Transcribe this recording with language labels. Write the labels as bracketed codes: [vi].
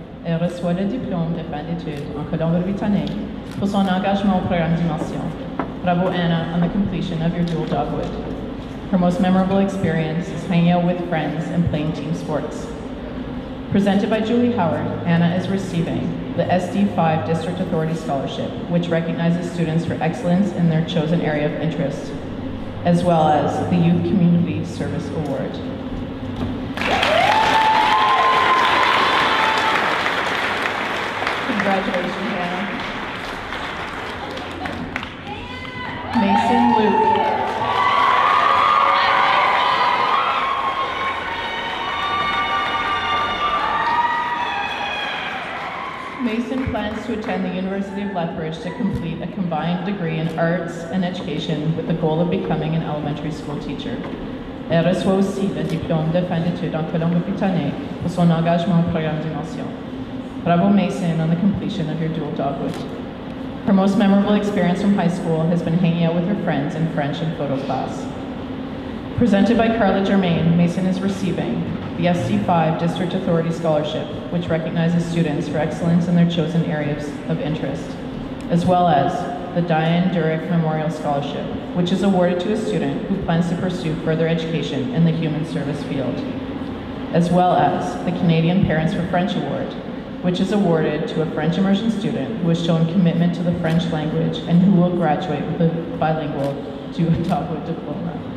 [fr] Elle reçoit le diplôme de fin d'études en Colombie-Britannique pour son engagement au programme Dimension. [en] Bravo, Anna, on the completion of your dual dogwood. Her most memorable experience is hanging out with friends and playing team sports. Presented by Julie Howard, Anna is receiving the SD5 District Authority Scholarship, which recognizes students for excellence in their chosen area of interest, as well as the Youth Community Service Award. Congratulations, Anna. Mason Luke. Mason plans to attend the University of Lethbridge to complete a combined degree in arts and education with the goal of becoming an elementary school teacher. [fr] Elle reçoit aussi le diplôme de fin d'études en Colombie-Britannique pour son engagement au programme Dimension. [en] Bravo, Mason, on the completion of your dual dogwood. Her most memorable experience from high school has been hanging out with her friends in French and photo class. Presented by Carla Germain, Mason is receiving the SC5 District Authority Scholarship, which recognizes students for excellence in their chosen areas of interest, as well as the Diane Durick Memorial Scholarship, which is awarded to a student who plans to pursue further education in the human service field, as well as the Canadian Parents for French Award, which is awarded to a French immersion student who has shown commitment to the French language and who will graduate with a bilingual dogwood diploma.